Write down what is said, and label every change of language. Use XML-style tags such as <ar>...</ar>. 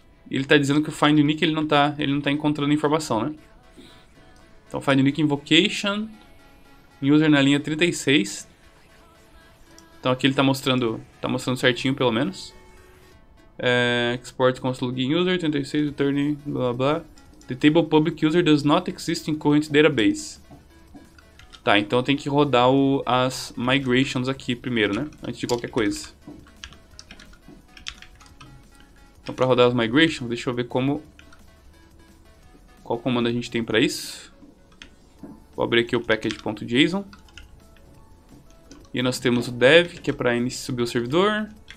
<pt>E ele está dizendo que o Find Unique ele não tá encontrando informação, né? Então Find Unique Invocation. User na linha 36. Então aqui ele tá mostrando certinho, pelo menos.</pt> <en>Export console login user 36, return, blá blá. The table public user does not exist in current database.</en> <pt>Tá, então tem que rodar as migrations aqui primeiro, né? Antes de qualquer coisa. Então para rodar as migrations, deixa eu ver qual comando a gente tem para isso. Vou abrir aqui o package.json. E nós temos o dev, que é para subir o servidor.</pt>